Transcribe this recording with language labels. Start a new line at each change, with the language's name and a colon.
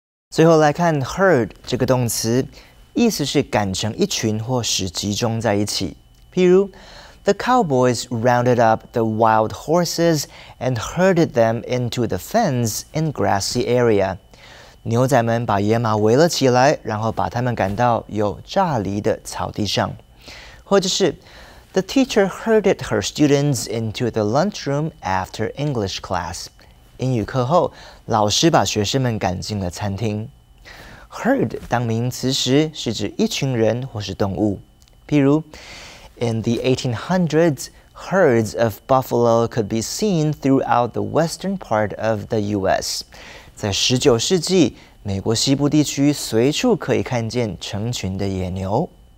Chinese: 最后来看 herd 这个动词，意思是赶成一群或是集中在一起。譬如
English: ，The cowboys rounded up the wild horses and herded them into the fence in grassy area。
Chinese: 牛仔们把野马围了起来，然后把他们赶到有栅篱的草地上。或者是
English: ，The teacher herded her students into the lunchroom after English class。
Chinese: 英语课后，老师把学生们赶进了餐厅。 Herd 当名词时，是指一群人或是动物。譬如
English: ，In the 1800s, herds of buffalo could be seen throughout the western part of the U.S.
Chinese: 在19世纪，美国西部地区随处可以看见成群的野牛。